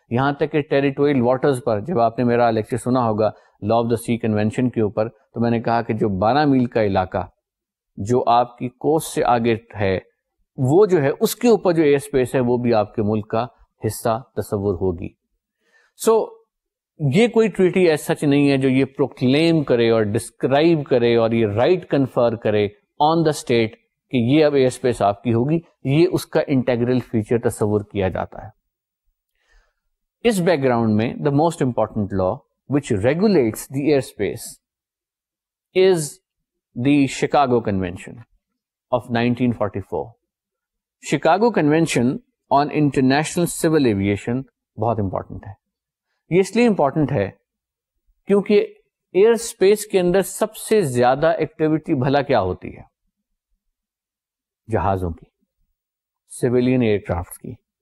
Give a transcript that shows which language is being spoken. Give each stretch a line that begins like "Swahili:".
Urdu: یہاں تک کہ ٹیریٹوریل واٹرز پر, جب آپ نے میرا لیکچر سنا ہوگا law of the sea convention کے اوپر, تو میں نے کہا کہ جو 12 میل کا علاقہ جو آپ کی کوسٹ سے آگے ہے, وہ جو ہے اس کے اوپر جو ایئر اسپیس ہے وہ بھی آپ کے ملک کا حصہ تصور ہوگی. سو یہ کوئی ٹریٹی ایز سچ نہیں ہے جو یہ پروکلیم کرے اور ڈسکرائب کرے اور یہ رائٹ کنفر کرے آن دا اسٹیٹ کہ یہ اب ایئر اسپیس آپ کی ہوگی. یہ اس کا انٹیگرل فیچر تصور کیا جاتا ہے.
English: اس background میں the most important law which regulates the airspace is the Chicago convention of 1944.
Urdu: Chicago convention on international civil aviation بہت امپورٹنٹ ہے. یہ اس لیے امپورٹنٹ ہے کیونکہ ایئر اسپیس کے اندر سب سے زیادہ ایکٹیویٹی بھلا کیا ہوتی ہے, جہازوں کی, سویلین ایئر کرافٹ کی.